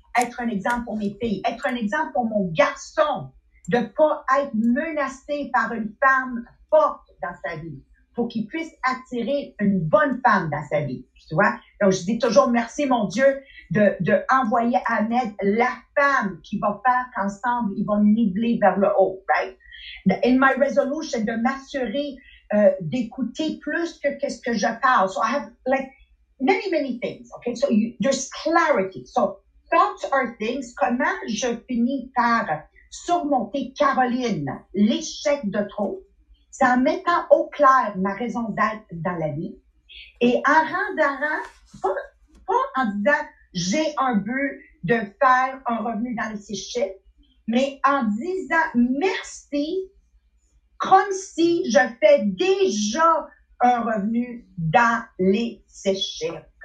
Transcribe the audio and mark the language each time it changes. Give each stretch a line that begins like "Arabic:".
French: être un exemple pour mes filles, être un exemple pour mon garçon, de ne pas être menacé par une femme forte dans sa vie, pour qu'il puisse attirer une bonne femme dans sa vie, tu vois. Donc, je dis toujours merci, mon Dieu, de envoyer à Ahmed la femme qui va faire qu'ensemble, ils vont niveler vers le haut, right?
English: In my resolution,
French: de m'assurer d'écouter plus que qu'est-ce que je parle.
English: So, I have, like, many, many things, okay? So, there's clarity. So, thoughts are things.
French: Comment je finis par surmonter Caroline, l'échec de trop? C'est en mettant au clair ma raison d'être dans la vie et en rendant, pas en disant j'ai un but de faire un revenu dans les six chiffres, mais en disant merci comme si je fais déjà un revenu dans les six chiffres.